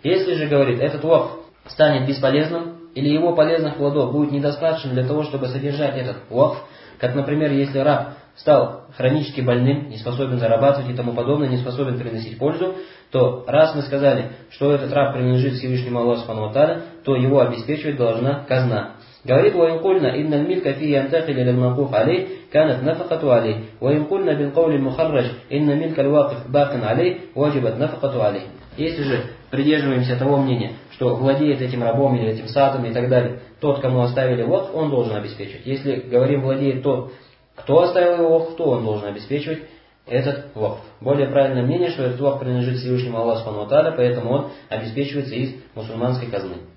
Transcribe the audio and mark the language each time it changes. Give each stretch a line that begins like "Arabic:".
Russian: Если же, говорит, этот вакф станет бесполезным, или его полезных плодов будет недостаточно для того, чтобы содержать этот вакф, как, например, если раб стал хронически больным, не способен зарабатывать и тому подобное, не способен приносить пользу, то раз мы сказали, что этот раб принадлежит Всевышнему Аллаху Субхану ва Тааля, то его обеспечивать должна казна. Говорит,
Arabic: وَيَنْقُلْنَا إِنَّ الْمِلْكَ فِيهِ يَنْتَقِلُ إِلَى الْمَوْقُوفِ عَلَيْهِ كانت نفقته عليه وإن قلنا بالقول المخرج إن ملك الواقف باق عليه وجبت نفقته عليه.
Russian: Если же придерживаемся того мнения, что владеет этим рабом или этим садом и так далее, тот, кому оставили вакф, он должен обеспечивать. Если говорим владеет тот, кто оставил его вакф, то он должен обеспечивать этот вакф. Более правильное мнение, что этот вакф принадлежит Всевышнему Аллаху Субхану ва Тааля, поэтому он обеспечивается из мусульманской казны.